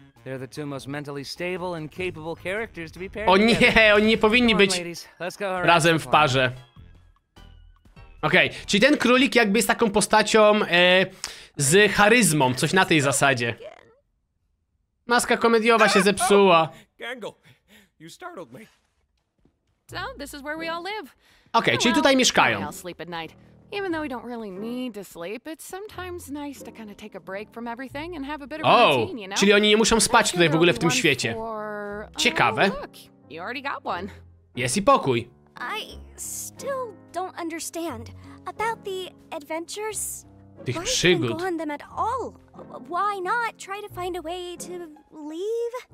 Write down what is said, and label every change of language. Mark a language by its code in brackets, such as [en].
[en] They're the two most mentally stable and capable characters to be paired. [pl] O nie, oni nie powinni być razem w parze. Okej, czyli ten królik jakby jest taką postacią z charyzmą, coś na tej zasadzie. Maska komediowa się zepsuła. [en] Gangle, you startled me. So, this is where we all live. [pl] Okej, czyli tutaj mieszkają. [en] Sleep at night. Even though we don't really need to sleep, it's sometimes nice to kind of take a break from everything and have a bit of routine, you know? [pl] Czyli oni nie muszą spać tutaj w ogóle w tym świecie. Ciekawe. [en] You already got one. [pl] Jest i pokój. [en] I still don't understand about the adventures. [pl] Tych przygód. [en] Why not try to find a way to leave?